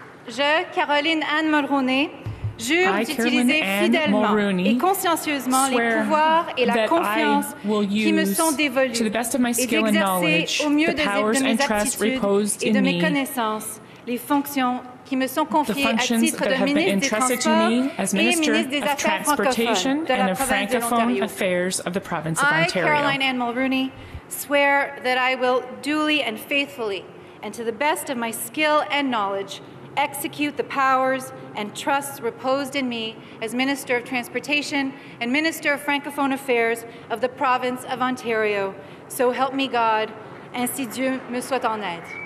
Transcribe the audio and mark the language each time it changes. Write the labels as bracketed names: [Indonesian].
[French] Je, Caroline Anne Mulrooney, [English] I, Caroline Anne Mulrooney, swear that I will use, to the best of my skill and knowledge, the powers and trust reposed in me [French] les fonctions qui me sont confiées à titre de ministre des Transports et ministre des Affaires francophones de la province de l'Ontario. [English] I, Caroline Anne Mulrooney, swear that I will duly and faithfully, and to the best of my skill and knowledge, execute the powers and trusts reposed in me as Minister of Transportation and Minister of Francophone Affairs of the Province of Ontario. So help me God, [French] ainsi Dieu me soit en aide.